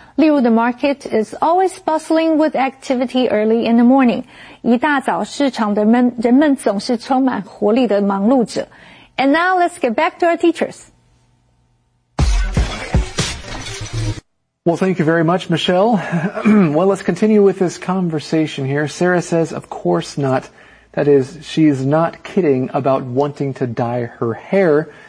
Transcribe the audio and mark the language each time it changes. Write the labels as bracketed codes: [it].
[zh] 例如 [en] The market is always bustling with activity early in the morning. [zh] 一大早市场的人们总是充满活力的忙碌着。 [en] And now let's get back to our teachers. Well, thank you very much, Michelle. Well, let's continue with this conversation here. Sarah says, of course not. That is, she is not kidding about wanting to dye her hair.